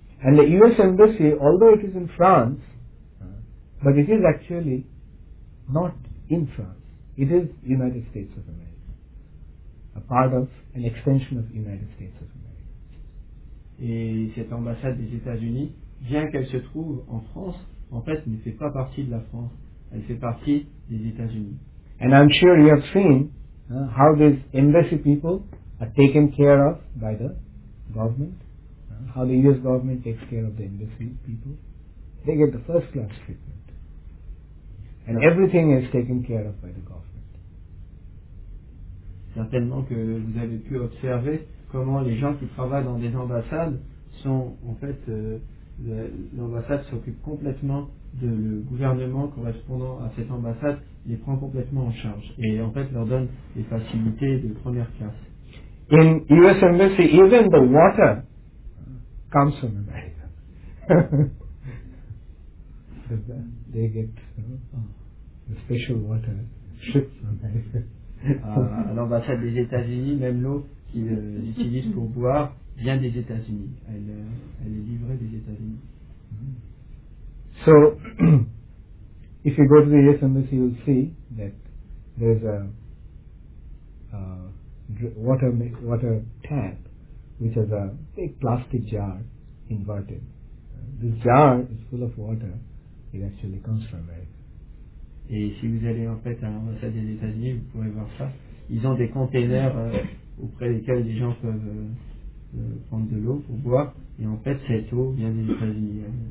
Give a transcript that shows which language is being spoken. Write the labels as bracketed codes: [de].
[en] And the U.S. embassy, although it is in France, but it is actually not in France. It is United States of America, a part of an extension of United States of America. [fr] Et cette ambassade des États-Unis, bien qu'elle se trouve en France, en fait, ne fait pas partie de la France. Elle fait partie des États-Unis. [en] And I'm sure you have seen How these embassy people are taken care of by the government, how the US government takes care of the embassy people. They get the first class treatment. And everything is taken care of by the government. [fr] Certainement que vous avez pu observer comment les gens qui travaillent dans des ambassades sont en fait l'ambassade s'occupe complètement de le gouvernement correspondant à cette ambassade les prend complètement en charge et en fait leur donne des facilités de première classe. [en] In US embassy, even the water comes from America. They get the special water shipped from America. [fr] À l'ambassade des États-Unis, même l'eau qu'ils utilisent pour boire vient des États-Unis. Elle est livrée des États-Unis. [en] So, if you go to the US embassy, you'll see that there's a water tap, which has a big plastic jar inverted. This jar is full of water. It actually comes from America. [fr] Et si vous allez en fait à l'ambassade des États-Unis, vous pourrez voir ça. Ils ont des containers auprès desquels les gens peuvent prendre de l'eau pour boire. Et en fait, cette eau vient des États-Unis.